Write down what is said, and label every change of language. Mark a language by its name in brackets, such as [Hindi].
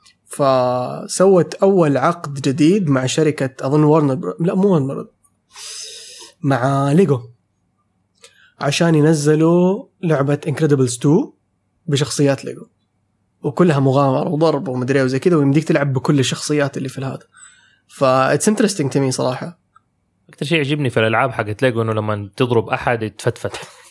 [Arabic] فسوت اول عقد جديد مع شركه اظن مع ليجو عشان ينزلوا لعبه انكريدبلز 2 بشخصيات ليجو وكلها مغامرة وضرب ومدري وزي كده, ويمديك تلعب بكل الشخصيات اللي في هذا. [English] فا it's interesting to me [Arabic] صراحة. أكثر شيء عجبني في الألعاب حقت ليجو إنه لما تضرب أحد يتفتفت.